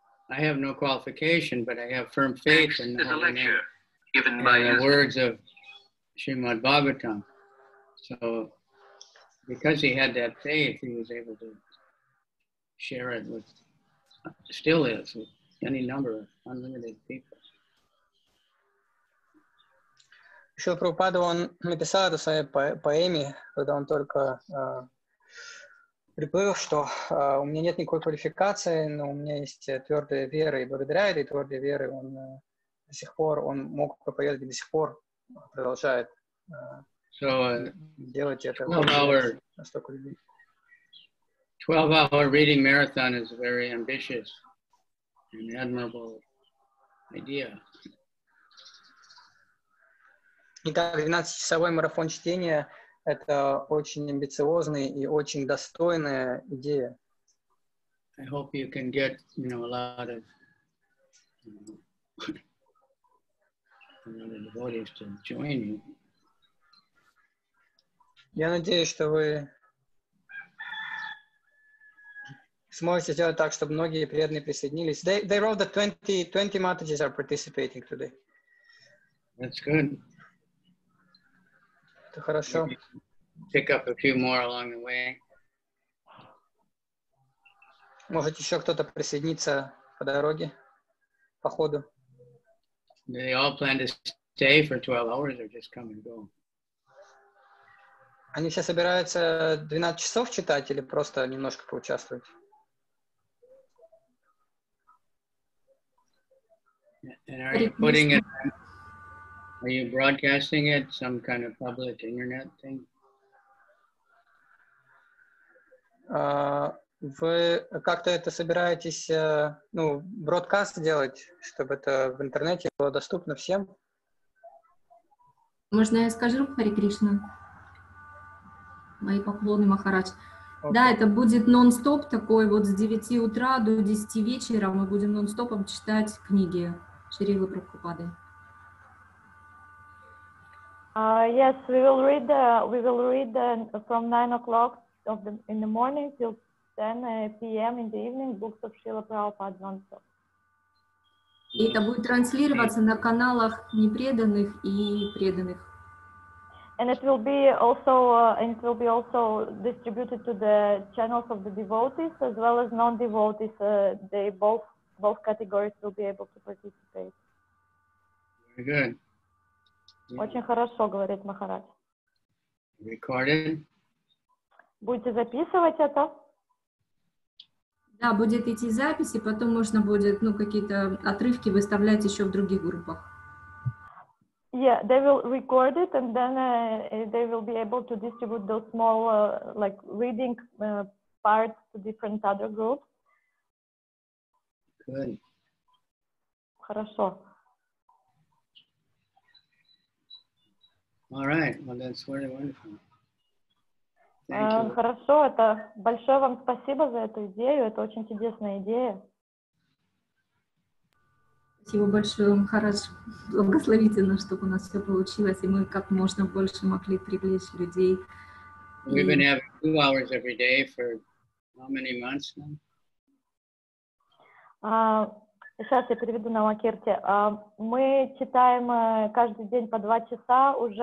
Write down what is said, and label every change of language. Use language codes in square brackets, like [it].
[en] I have no qualification, but I have firm faith in the holy name, given by the words of Srimad Bhagavatam. So Because he had that faith, he was able to share it with, still is, with any number of unlimited people. [ru] Шрила Прабхупада, он написал это в своей поэме, когда он только приплыл, что у меня нет никакой квалификации, но у меня есть твердая вера, и благодаря этой твердой вере он до сих пор, он мог проповедовать, и до сих пор продолжает делать это. [en] 12-hour reading marathon is a very ambitious and admirable idea. [ru] Итак, 12-часовой марафон чтения — это очень амбициозная и очень достойная идея. [en] I hope you can get, you know, a lot of, devotees to join you. [ru] Я надеюсь, что вы сможете сделать так, чтобы многие преданные присоединились. [en] They wrote that 20 Matajis are participating today. That's good. [ru] Хорошо. [en] Pick up a few more along the way. [ru] Может, еще кто-то присоединится по дороге, по ходу. [en] Do they all plan to stay for 12 hours or just come and go? [ru] Они все собираются 12 часов читать или просто немножко поучаствовать? [en] And are you putting it... Are you broadcasting it, some kind of public internet thing? [ru] Вы как-то это собираетесь, бродкаст делать, чтобы это в интернете было доступно всем? Можно я скажу, Хари Кришна? Мои поклоны, Махарадж. Okay. Да, это будет нон-стоп такой, вот с 9 утра до 10 вечера мы будем нон-стопом читать книги Шрилы Прабхупады. [en] Yes, we will read from 9 o'clock of the in the morning till 10 p.m. in the evening books of Srila Prabhupada nonstop. [ru] И это будет транслироваться на каналах непреданных и преданных. [en] And it will be also distributed to the channels of the devotees as well as non-devotees. They both categories will be able to participate. Very good. [ru] Очень хорошо, говорит Махарадж. [en] Recorded. [ru] Будете записывать это? Да, будет идти запись, и потом можно будет, какие-то отрывки выставлять еще в других группах. [en] Yeah, they will record it, and then they will be able to distribute those small, reading parts to different other groups. Good. [ru] Хорошо. [en] All right, well, that's very wonderful. [ru] Хорошо, это большое вам спасибо за эту идею. Это очень чудесная идея. Спасибо большое, Махарадж. Благословите нас, чтобы у нас все получилось, и мы как можно больше могли привлечь людей. [en] We've been having 2 hours every day for how many months now? [ru] Сейчас я переведу на Макирте. Мы читаем каждый день по 2 часа уже.